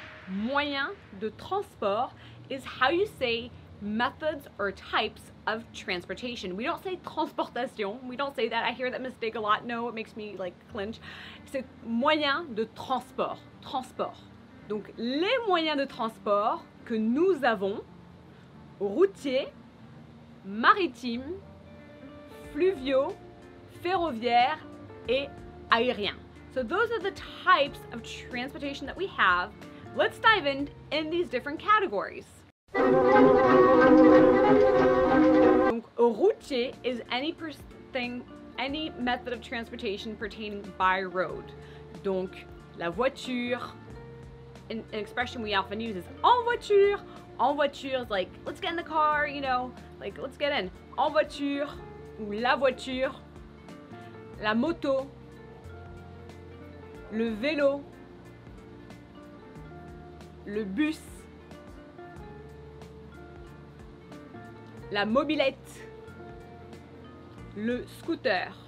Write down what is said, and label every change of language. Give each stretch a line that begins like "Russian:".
French: Moyen de transport
English: is how you say methods or types of transportation. We don't say transportation. We don't say that. I hear that mistake a lot. No, it makes me like clinch.
French: C'est moyen de transport. Transport. Donc, les moyens de transport que nous avons, routier, maritime, fluviaux, ferroviaire et aérien.
English: So those are the types of transportation that we have. Let's dive in these different categories. Donc, routier is any thing, any method of transportation pertaining by road.
French: Donc, la voiture,
English: an expression we often use is
French: en voiture. En voiture
English: is like, let's get in the car, you know, like, let's get in.
French: En voiture, ou la voiture, la moto, le vélo, le bus, la mobilette, le scooter.